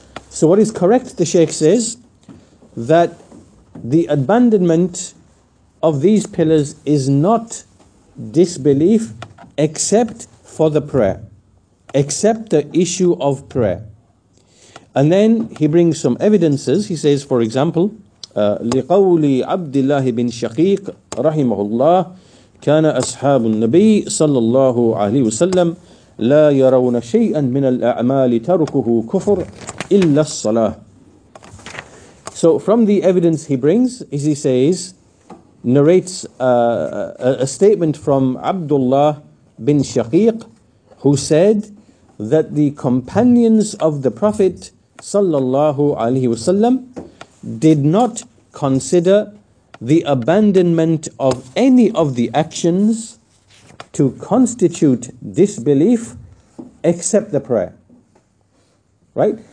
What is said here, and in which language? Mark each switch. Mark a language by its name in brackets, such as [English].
[English] So what is correct, the Shaykh says, that the abandonment of these pillars is not disbelief except for the prayer, except the issue of prayer. And then he brings some evidences. He says, for example, [Arabic] لقول عبد الله بن شقيق رحمه الله كان أصحاب النبي صلى الله عليه وسلم لا يرون شيئا من الأعمال تركه كفر إلا الصلاة. [English] So from the evidence he brings, as he says, narrates a statement from Abdullah bin Shaqiq, who said that the companions of the Prophet sallallahu alaihi wasallam did not consider the abandonment of any of the actions to constitute disbelief except the prayer. Right?